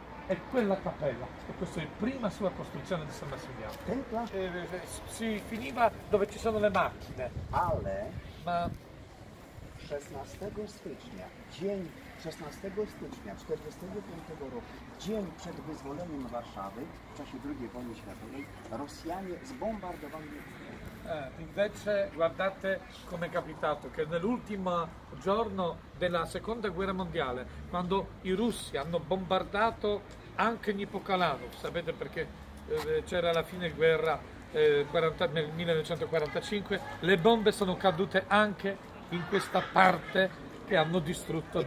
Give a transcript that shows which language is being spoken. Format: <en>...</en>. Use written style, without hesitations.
<it>E quella cappella, e questa è la prima sua costruzione di San Massimiliano. Si finiva dove ci sono le macchine.</it> <pl>Ale, ma 16 stycznia, dzień 16 stycznia 1945 roku, dzień przed wyzwoleniem Warszawy w czasie II wojny światowej, Rosjanie zbombardowali.</pl> <it>Invece guardate come è capitato che nell'ultimo giorno della seconda guerra mondiale, quando i russi hanno bombardato anche Nipokalano, sapete perché c'era la fine guerra nel 1945, le bombe sono cadute anche in questa parte che hanno distrutto</it>